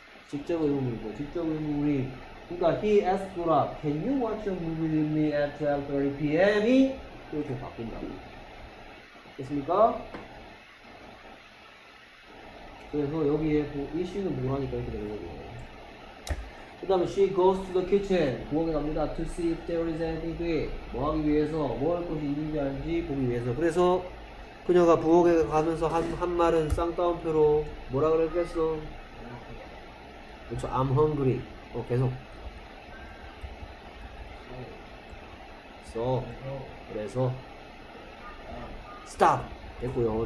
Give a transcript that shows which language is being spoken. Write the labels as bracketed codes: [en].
[ko] 직접 의문이고, 직접 의문이. 그니까, [en] he asked 보라, can you watch a movie with me at 12:30 PM? [ko] 이렇게 바뀐다고. 됐습니까? 그래서 여기에 issue는 뭐라니까 이렇게 되는 거고. 그 다음에 [en] she goes to the kitchen, [ko] 부엌에 갑니다. [en] To see if there is anything to eat. [ko] 뭐 하기 위해서, 뭐 할 것이 있는지 아닌지 보기 위해서. 그래서 그녀가 부엌에 가면서 한 말은 쌍따옴표로 뭐라 그랬겠어? 그렇죠, [en] I'm hungry. [ko] 어, 계속. So, 그래서 [en] stop! [ko] 됐고요.